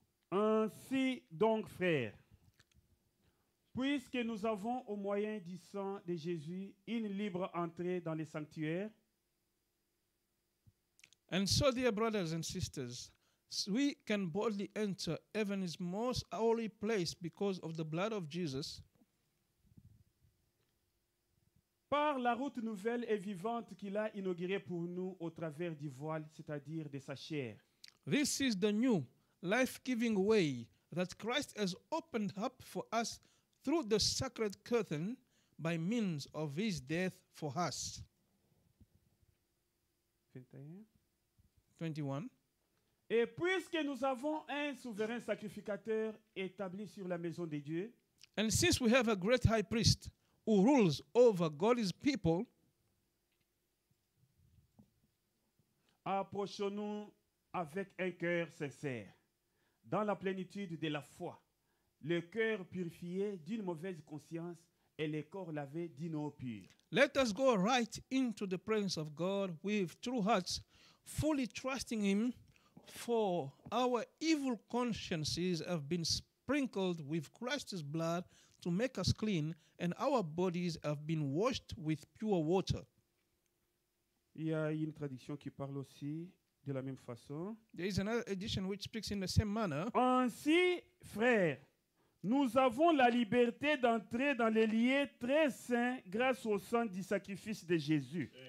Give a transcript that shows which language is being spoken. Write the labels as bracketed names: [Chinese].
[French] Ainsi donc, frères, puisque nous avons au moyen du sang de Jésus une libre entrée dans le sanctuaire. [English] And so, dear brothers and sisters, we can boldly enter heaven's most holy place because of the blood of Jesus. [French] Par la route nouvelle et vivante qu'il a inaugurée pour nous au travers du voile, c'est-à-dire de sa chair. [English] This is the new life-giving way that Christ has opened up for us through the sacred curtain, by means of his death for us. 21. [French] Et puisque nous avons un souverain sacrificateur établi sur la maison de Dieu, [English] and since we have a great high priest who rules over God's people, [French] approchons-nous avec un cœur sincère, dans la plénitude de la foi. Le cœur purifié d'une mauvaise conscience et le corps lavé d'une eau pure. [English] Let us go right into the presence of God with true hearts, fully trusting him, for our evil consciences have been sprinkled with Christ's blood to make us clean, and our bodies have been washed with pure water. [French] Il y a une traduction qui parle aussi de la même façon. [English] There is another edition which speaks in the same manner. [French] Ainsi, frères, nous avons la liberté d'entrer dans les lieux très saints grâce au sang du sacrifice de Jésus.